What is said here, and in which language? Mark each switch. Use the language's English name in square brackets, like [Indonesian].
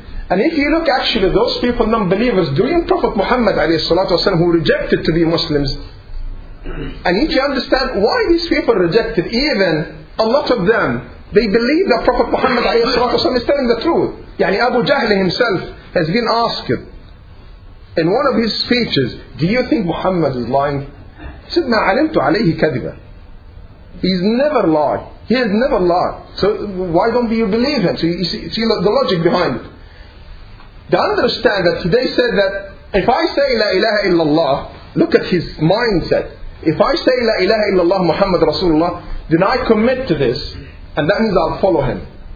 [English] And if you look actually, those people, non-believers, during Prophet Muhammad [Arabic] عليه الصلاة والسلام, [English] who rejected to be Muslims, and if you understand why these people rejected, even a lot of them, they believe that Prophet Muhammad عليه الصلاة والسلام is telling the truth. يعني Abu Jahl himself has been asked in one of his speeches, do you think Muhammad is lying? He said, [Arabic] مَا عَلِمْتُ عَلَيْهِ كَذِبًا. [English] He's never lied. He has never lied. So why don't you believe him? So you see the logic behind it. They understand that they said that if I say La ilaha illallah, look at his mindset. If I say La ilaha illallah Muhammad Rasulullah, then I commit to this, and that means I'll follow him.